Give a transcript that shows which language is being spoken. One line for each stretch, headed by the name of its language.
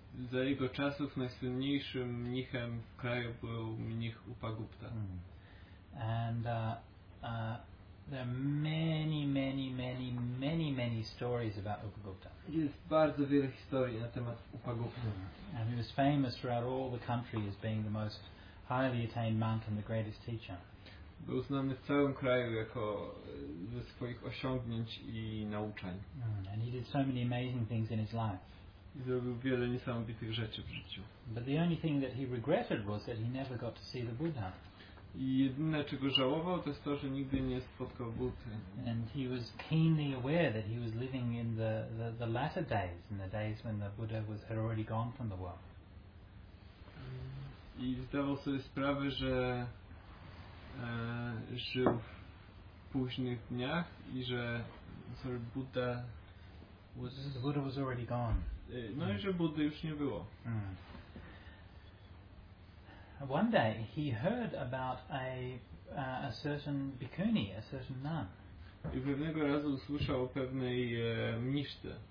Polish: Za jego czasów najsłynniejszym mnichem w kraju był mnich Upagupta.
English: And there are many, many, many, many, many stories about Upagupta.
Polish: Jest bardzo wiele historii na temat Upagupta.
English: And he was famous throughout all the country as being the most highly attained monk and the greatest teacher.
Polish: Był znany w całym kraju jako ze swoich osiągnięć i nauczeń.
English: And he did so many amazing things in his life.
Polish: I zrobił wiele niesamowitych rzeczy w życiu.
English: But the only thing that he regretted was that he never got to see the Buddha.
Polish: I jedyne, czego żałował, to jest to, że nigdy nie spotkał Buddy.
English: And he was keenly aware that he was living in the latter days, in the days when the Buddha had already gone from the world.
Polish: I zdawał sobie sprawę, że żył w późnych dniach i że
English: for Buddha was... The Buddha was already gone.
Polish: No, że Buddy już nie było.
English: One day he heard about a certain bhikkhuni, a certain nun.
Polish: I pewnego razu usłyszał o pewnej mniszce.